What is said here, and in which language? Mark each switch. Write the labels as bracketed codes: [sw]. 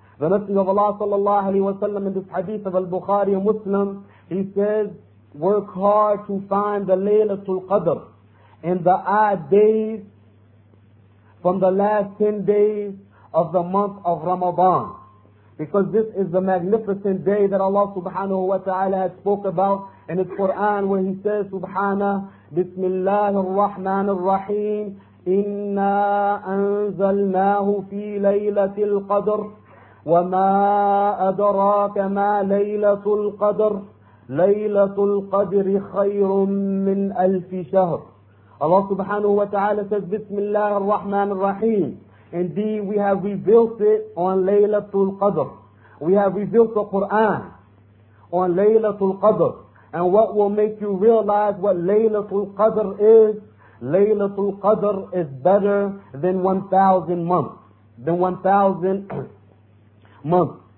[en] The Messenger of Allah sallallahu alayhi wa sallam in this hadith of Al-Bukhari and Muslim, he says, work hard to find the Laylatul Qadr in the odd days from the last 10 days of the month of Ramadan. Because this is the magnificent day that Allah subhanahu wa ta'ala has spoke about in his Quran, where he says, [ar] Subhana, Bismillah ar-Rahman ar-Rahim, Inna anzalnahu fi Laylatil Qadr. وما أدراك ما ليلة القدر ليلة القدر خير من ألف شهر. [en] Allah subhanahu wa ta'ala says, [ar] Bismillah ar-Rahman ar-Rahim. [en] Indeed, we have revealed it on Laylatul Qadr. We have revealed the Quran on Laylatul Qadr. And what will make you realize what Laylatul Qadr is? Laylatul Qadr is better than 1,000 months, than 1,000 month.